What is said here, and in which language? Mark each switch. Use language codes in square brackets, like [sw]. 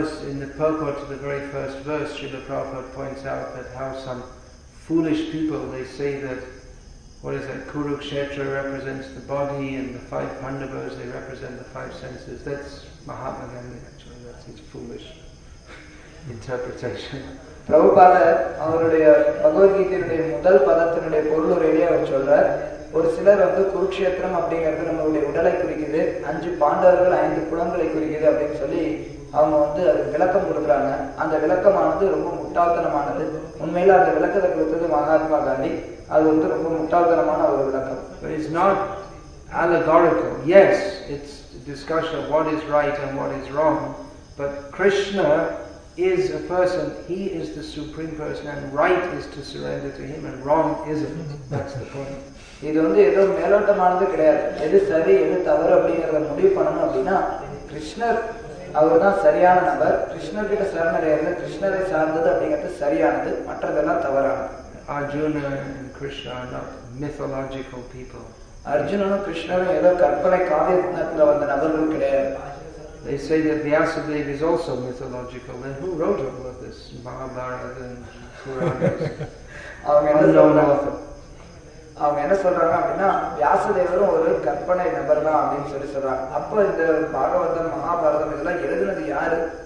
[en] In the purport to the very first verse, Srila Prabhupada points out that how some foolish people, they say that, what is that, Kurukshetra represents the body and the five Pandavas, they represent the five senses. That's Mahatma Gandhi, actually, that's his foolish interpretation. [ta] Prabhupada, அவருடைய பகவத்கீதையினுடைய முதல் பதத்தினுடைய பொருள் ஒரு இடையே அவர் சொல்றார், ஒரு சிலர் வந்து குருக்ஷேத்திரம் அப்படிங்கிறது நம்மளுடைய உடலை குறிக்குது, அஞ்சு பாண்டவர்கள் ஐந்து குலங்களை குறிக்குது அப்படின்னு சொல்லி அவங்க வந்து அது விளக்கம் கொடுக்குறாங்க. அந்த விளக்கமானது ரொம்ப முட்டாள்தனமானது. உண்மையில அந்த விளக்கத்தை கொடுத்தது மகாத்மா காந்தி. அது வந்து ரொம்ப முட்டாள்தனமான ஒரு விளக்கம். [en] But it's not allegorical. Yes, it's a discussion of what is right and what is wrong. But Krishna is a person, he is the supreme person, and right is to surrender to him and wrong isn't. That's the point. [ta] இது வந்து எதுவும் மேலோட்டமானது கிடையாது. எது சரி எது தவறு அப்படிங்கறத முடிவு பண்ணணும் அப்படின்னா கிருஷ்ணர் அவர் தான் சரியான நபர். கிருஷ்ணர்கிட்ட சரணடைகிறது கிருஷ்ணரை சார்ந்தது அப்படிங்கிறது சரியானது, மற்றதெல்லாம் தவறானது. [en] Arjun Krishna are not mythological people. [ta] அர்ஜுனனும் கிருஷ்ணரும் ஏதோ கற்பனை காவியத்தில் வந்த நபர்கள் கிடையாது. [en] They say that Vyasadeva is also mythological. Then who wrote all of this? Mahabharata and Puranas? Unknown author. [ta] அவங்க என்ன சொல்றாங்க அப்படின்னா வியாசதேவரும் ஒரு கற்பனை நபர் தான் அப்படின்னு சொல்லி சொல்றாங்க. அப்ப இந்த பாகவதம் மகாபாரதம் இதெல்லாம் எழுதுனது யாரு?